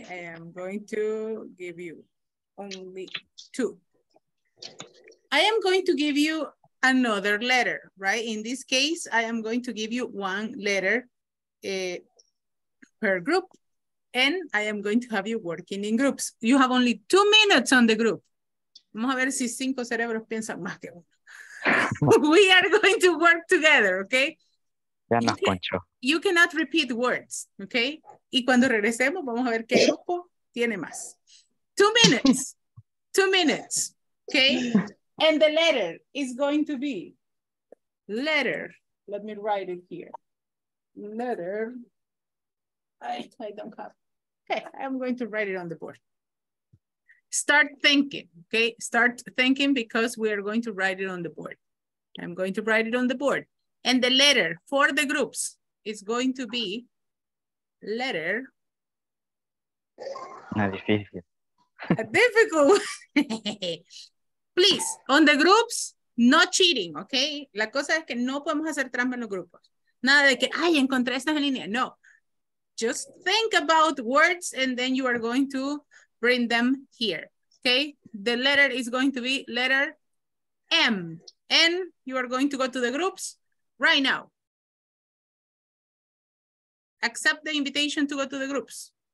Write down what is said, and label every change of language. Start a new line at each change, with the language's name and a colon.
English: I am going to give you only 2. I am going to give you another letter, right? In this case, I am going to give you 1 letter. Per group, and I am going to have you working in groups. You have only 2 minutes on the group.
Spanish: Vamos a ver si 5 cerebros piensan más que uno.
English: We are going to work together, okay?
Spanish: Ya nos conchó.
English: You cannot repeat words, okay?
Spanish: Y cuando regresemos, vamos a ver qué grupo tiene más.
English: 2 minutes. 2 minutes, okay? And the letter is going to be letter. Let me write it here. Letter. I don't have, I'm going to write it on the board. Start thinking, okay? Start thinking because we are going to write it on the board. I'm going to write it on the board. And the letter for the groups is going to be letter. Not difficult. Difficult. Please, on the groups, no cheating, okay?
Spanish: La cosa es que no podemos hacer trampa en los grupos. Nada de que, ay, encontré estas en línea, no.
English: Just think about words and then you are going to bring them here, okay? The letter is going to be letter M. And you are going to go to the groups right now. Accept the invitation to go to the groups.